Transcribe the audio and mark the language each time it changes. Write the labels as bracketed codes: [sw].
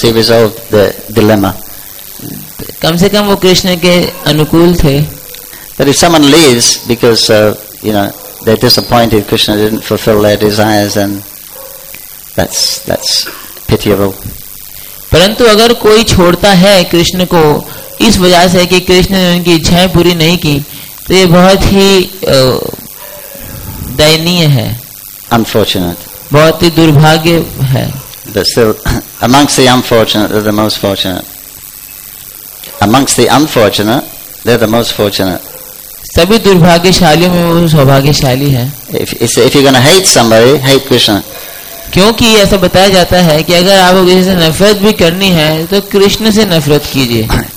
[hi] कम से कम वो कृष्ण के अनुकूल थे. [en] But if someone leaves because you know they're disappointed Krishna didn't fulfill their desires, then that's pitiable. [hi] परंतु अगर कोई छोड़ता है कृष्ण को इस वजह से कि कृष्ण ने उनकी इच्छाएं पूरी नहीं की तो ये बहुत ही दयनीय है. [en] Unfortunate. [hi] बहुत ही दुर्भाग्य है. [en] But still, amongst the unfortunate, they're the most fortunate. [hi] सभी दुर्भाग्यशालियों में वो सौभाग्यशाली है. [en] If you're gonna hate somebody, hate Krishna. [hi] क्योंकि ऐसा बताया जाता है कि अगर आपको किसी से नफरत भी करनी है तो कृष्ण से नफरत कीजिए.